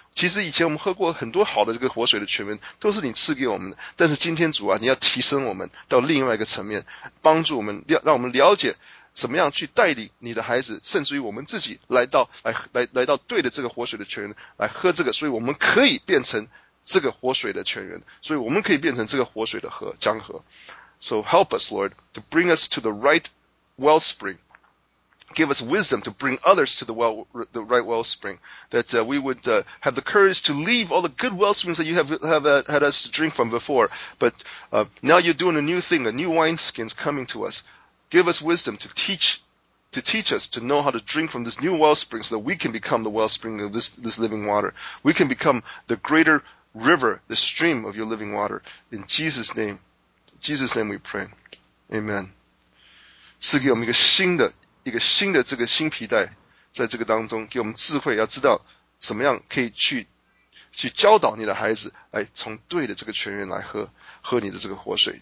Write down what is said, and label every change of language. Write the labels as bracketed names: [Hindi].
[Chinese] 其实以前我们喝过很多好的这个活水的泉源都是你赐给我们的，但是今天主啊，你要提升我们到另外一个层面，帮助我们，让我们了解怎么样去带领你的孩子，甚至于我们自己来到对的这个活水的泉源来喝这个，所以我们可以变成这个活水的泉源，所以我们可以变成这个活水的河江河。 [English] So help us, Lord, to bring us to the right wellspring. Give us wisdom to bring others to the right wellspring. That we would have the courage to leave all the good wellsprings that you have had us drink from before. But now you're doing a new thing, a new wineskin's coming to us. Give us wisdom to teach us to know how to drink from this new wellspring so that we can become the wellspring of this living water. We can become the greater river, the stream of your living water. In Jesus' name. Jesus' name we pray. Amen. [Chinese] 赐给我们一个新的这个新皮带，在这个当中给我们智慧，要知道怎么样可以去教导你的孩子来从对的这个泉源来喝你的这个活水。